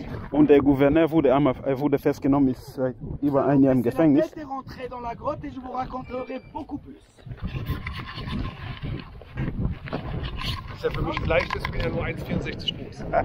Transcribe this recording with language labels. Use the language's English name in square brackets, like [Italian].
[German] Und der Gouverneur wurde festgenommen, ist seit über ein Jahr im Gefängnis. Ich werde [French] rentrer dans la grotte et je vous raconterai beaucoup plus. [German] Das ist ja für mich leicht, ich bin ja nur 1,64 groß.